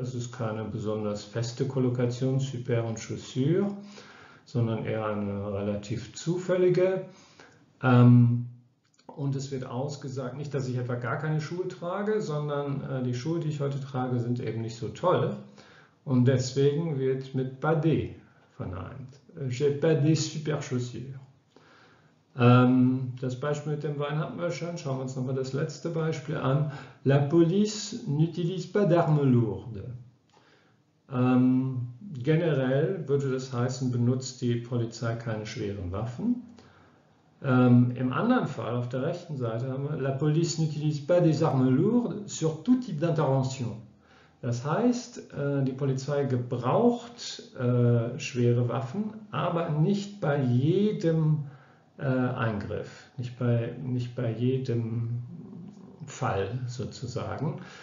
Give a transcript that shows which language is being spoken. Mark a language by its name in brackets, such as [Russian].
[German] Es ist keine besonders feste Kollokation, Super und Chaussure, sondern eher eine relativ zufällige. Und es wird ausgesagt, nicht, dass ich etwa gar keine Schuhe trage, sondern die Schuhe, die ich heute trage, sind eben nicht so toll. Und deswegen wird mit Badé verneint. [French] J'ai pas des super chaussures. [German] Das Beispiel mit dem Wein hatten wir schon. Schauen wir uns nochmal das letzte Beispiel an. [French] La police n'utilise pas d'armes lourdes. [German] Generell würde das heißen, benutzt die Polizei keine schweren Waffen. Im anderen Fall, auf der rechten Seite, haben wir [French] La police n'utilise pas des armes lourdes sur tout type d'intervention. [German] Das heißt, die Polizei gebraucht schwere Waffen, aber nicht bei jedem Eingriff, nicht bei jedem Fall sozusagen.